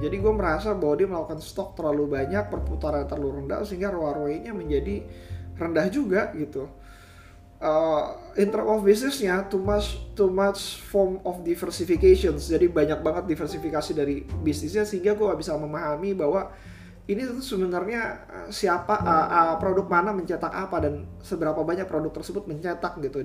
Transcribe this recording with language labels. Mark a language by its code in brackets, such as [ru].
[id] Jadi gue merasa bahwa dia melakukan stok terlalu banyak, perputaran terlalu rendah, sehingga ROA-nya menjadi rendah juga gitu. [en] In terms of business-nya, too much form of diversification. [id] Jadi banyak banget diversifikasi dari bisnisnya, sehingga gue gak bisa memahami bahwa ini tuh sebenarnya siapa, produk mana mencetak apa, dan seberapa banyak produk tersebut mencetak gitu.